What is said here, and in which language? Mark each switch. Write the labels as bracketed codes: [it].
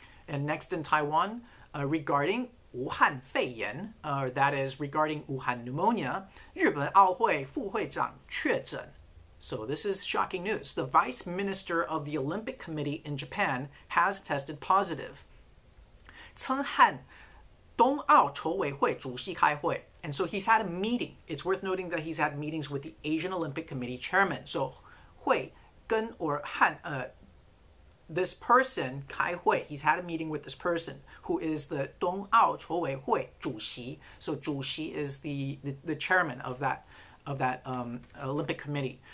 [en] And next in Taiwan, regarding 武汉肺炎, that is regarding Wuhan pneumonia, [zh] 日本奥会副会长确诊. [en] So this is shocking news. The vice minister of the Olympic Committee in Japan has tested positive. [zh] 陈汉冬奥筹委会主席开会. [en] And so he's had a meeting. It's worth noting that he's had meetings with the Asian Olympic Committee chairman. So 会跟 or 汉, this person, 开会, he's had a meeting with this person who is the 冬奥筹委会主席. So 主席 is the chairman of that. Olympic Committee.